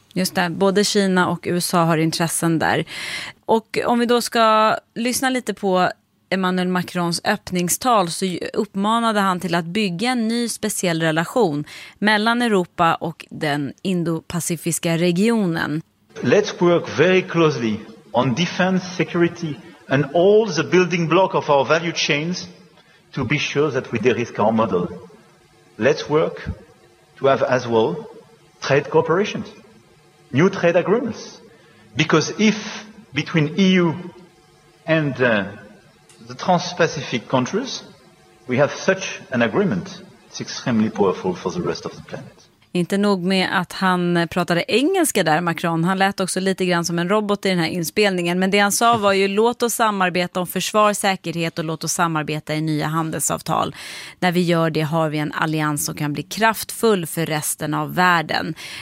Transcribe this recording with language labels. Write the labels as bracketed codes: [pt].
[sv] Just det, både Kina och USA har intressen där. Och om vi då ska lyssna lite på Emmanuel Macrons öppningstal så uppmanade han till att bygga en ny speciell relation mellan Europa och den indopacifiska regionen. [en] Let's work very closely on defense, security and all the building block of our value chains to be sure that we de-risk our model. Let's work to have as well trade cooperation, new trade agreements, because if between EU and the Trans-Pacific countries, we have such an agreement, it's extremely powerful for the rest of the planet. [sv] Inte nog med att han pratade engelska där, Macron. Han lät också lite grann som en robot i den här inspelningen. Men det han sa var ju, låt oss samarbeta om försvar, säkerhet och låt oss samarbeta i nya handelsavtal. När vi gör det har vi en allians som kan bli kraftfull för resten av världen.